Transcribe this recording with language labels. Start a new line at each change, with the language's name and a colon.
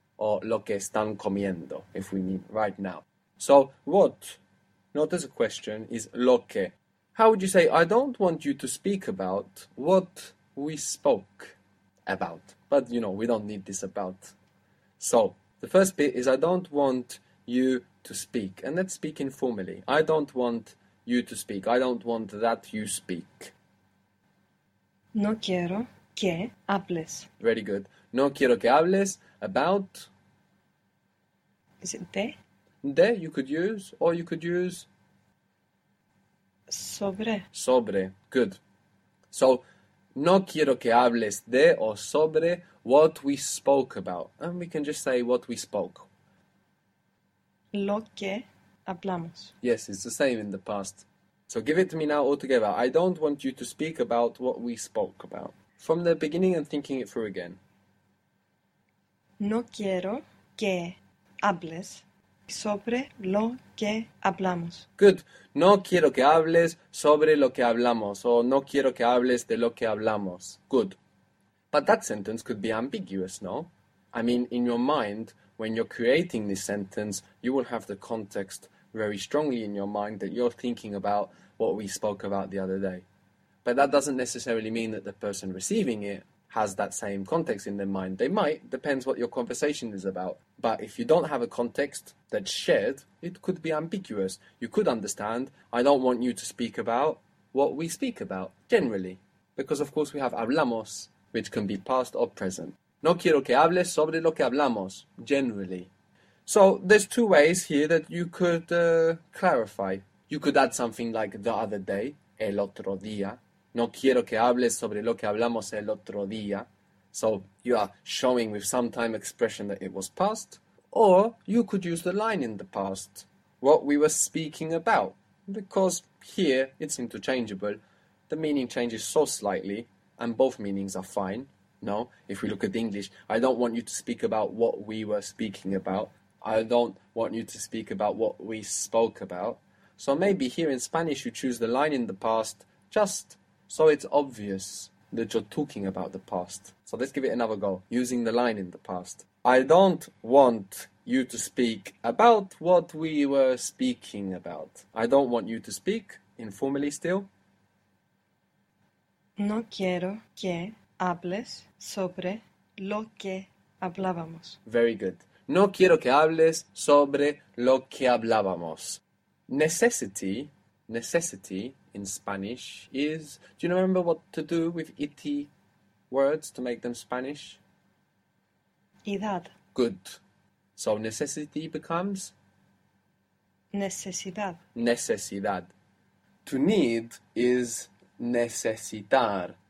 English: Or
Spanish: lo que están comiendo,
English: if we mean right now. So, what, not as a question, is
Spanish: lo que.
English: How would you say, I don't want you to speak about what we spoke about? But, you know, we don't need this about. So, the first bit is, I don't want you to speak. And let's speak informally. I don't want you to speak. I don't want that you speak.
Spanish: No quiero que hables.
English: Very good.
Spanish: No quiero que hables about...
English: Is it de? De, you could use, or you could use...
Spanish: Sobre. Sobre, good. So, no quiero que hables de o sobre
English: what we spoke about. And we can just say what we spoke.
Spanish: Lo que hablamos.
English: Yes, it's the same in the past. So give it to me now altogether. I don't want you to speak about what we spoke about. From the beginning and thinking it through again.
Spanish: No quiero que hables sobre lo que hablamos.
English: Good.
Spanish: No quiero que hables sobre lo que hablamos. Or no quiero que hables de lo que hablamos.
English: Good. But that sentence could be ambiguous, no? I mean, in your mind, when you're creating this sentence, you will have the context very strongly in your mind that you're thinking about what we spoke about the other day. But that doesn't necessarily mean that the person receiving it has that same context in their mind. They might, depends what your conversation is about. But if you don't have a context that's shared, it could be ambiguous. You could understand, I don't want you to speak about what we speak about, generally. Because of course we have hablamos, which can be past or present.
Spanish: No quiero que hables sobre lo que hablamos, generally.
English: So there's two ways here that you could clarify. You could add something like the other day,
Spanish: el otro día. No quiero que hables sobre lo que hablamos el otro día.
English: So you are showing with some time expression that it was past. Or you could use the line in the past, what we were speaking about. Because here it's interchangeable. The meaning changes so slightly and both meanings are fine. No, if we look at English, I don't want you to speak about what we were speaking about. I don't want you to speak about what we spoke about. So maybe here in Spanish you choose the line in the past just so it's obvious that you're talking about the past. So let's give it another go, using the line in the past. I don't want you to speak about what we were speaking about. I don't want you to speak, informally still.
Spanish: No quiero que hables sobre lo que hablábamos.
English: Very good.
Spanish: No quiero que hables sobre lo que hablábamos.
English: Necessity in Spanish is... Do you remember what to do with iti words to make them Spanish?
Spanish: Idad.
English: Good. So necessity becomes?
Spanish: Necesidad.
English: Necesidad. To need is necesitar.